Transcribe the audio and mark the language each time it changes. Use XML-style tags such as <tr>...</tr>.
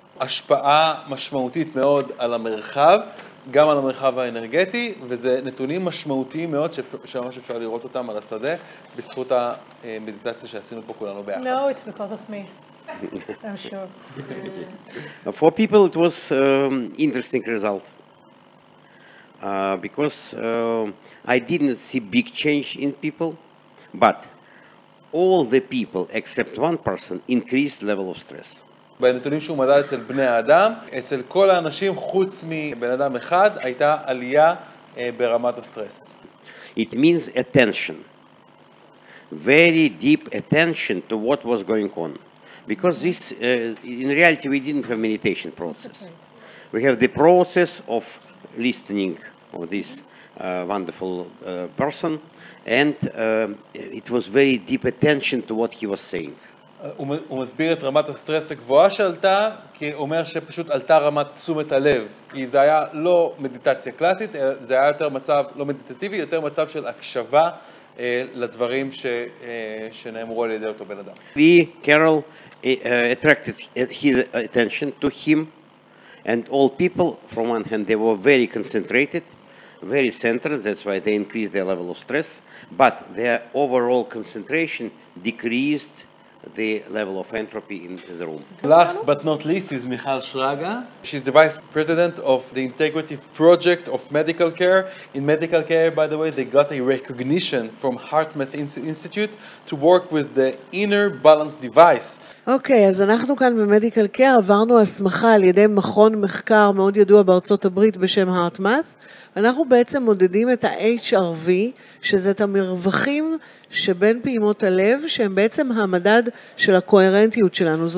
<he>השפעה משמעותית מאוד על המרחב, גם על המרחב האנרגטי, וזה נתונים משמעותיים מאוד שממש אפשר לראות אותם על השדה בזכות המדיטציה שעשינו פה כולנו ביחד.</he> <en>No, it's because of me. I'm sure. For people it was interesting result. Because I didn't see big change in people, but all the people except one person increased level of stress.</en> <he>בנתונים שהוא מדד אצל בני האדם, אצל כל האנשים חוץ מבן אדם אחד, הייתה עלייה ברמת הסטרס.</he> <en>It means attention. Very deep attention to what was going on. Because this, in reality, we didn't have meditation process. We have the process of listening of this wonderful person, and it was very deep attention to what he was saying.</en> <he>הוא מסביר את רמת הסטרס הגבוהה שעלתה, כי הוא אומר שפשוט עלתה רמת תשומת הלב, כי זה היה לא מדיטציה קלאסית, זה היה יותר מצב לא מדיטטיבי, יותר מצב של הקשבה לדברים שנאמרו על ידי אותו בן אדם.</he> <en>We, Carol, attracted his attention to him and all people, from one hand, they were very concentrated, very centered, that's why they increased their level of stress, but their overall concentration decreased the level of entropy in the room. Last but not least is Michal Shraga. She's the vice president of the Integrative Project of Medical Care. In medical care, by the way, they got a recognition from HeartMath Institute to work with the inner balance device.</en> <he>אוקיי, אז אנחנו כאן במדיקל קר עברנו הסמכה על ידי מכון מחקר מאוד ידוע בארצות הברית בשם HeartMath. אנחנו בעצם מודדים את ה-HRV, שזה את המרווחים שבין פעימות הלב, שהם בעצם המדד של הקוהרנטיות שלנו.</he>